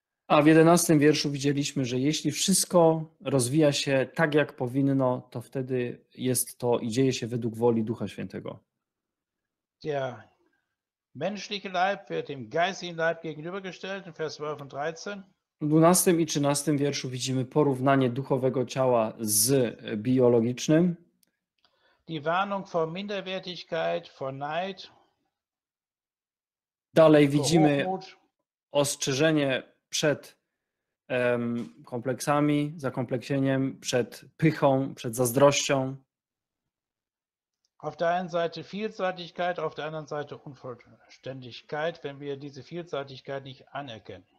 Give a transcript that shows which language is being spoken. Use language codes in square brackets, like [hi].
[pl] A w 11 wierszu widzieliśmy, że jeśli wszystko rozwija się tak, jak powinno, to wtedy jest to i dzieje się według woli Ducha Świętego. [de] Der menschliche Leib wird dem geistigen Leib gegenübergestellt in Vers 12 und 13. [pl] W 12 i 13 wierszu widzimy porównanie duchowego ciała z biologicznym. [de] Die Warnung vor Minderwertigkeit, vor Neid. [pl] Dalej widzimy ostrzeżenie przed kompleksami, zakompleksieniem, przed pychą, przed zazdrością. [de] Auf der einen Seite Vielseitigkeit, auf der anderen Seite Unvollständigkeit, wenn wir diese Vielseitigkeit nicht anerkennen.